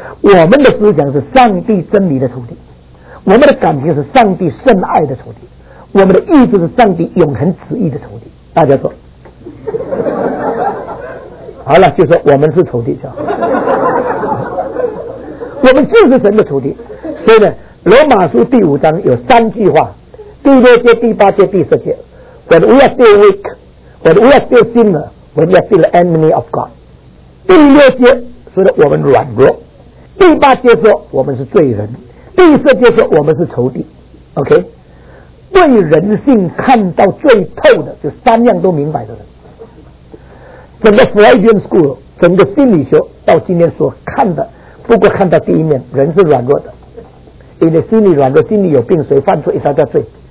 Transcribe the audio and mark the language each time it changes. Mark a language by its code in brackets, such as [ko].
[zh] 我们的思想是上帝真理的仇敌，我们的感情是上帝圣爱的仇敌，我们的意志是上帝永恒旨意的仇敌。大家说好了，就说我们是仇敌，叫我们就是神的仇敌。所以呢，罗马书第五章有3句话，第六节、第八节、第十节， [en] When we are still weak, when we are still sinner, when we are still enemy of God。 [zh] 第六节说的我们软弱，第八节说我们是罪人，第十节说我们是仇敌。 OK，对人性看到最透的，就三样都明白的人。整个 Freudian School， 整个心理学到今天所看的，不过看到第一面，人是软弱的，因为心理软弱，心理有病，谁犯错一杀掉罪。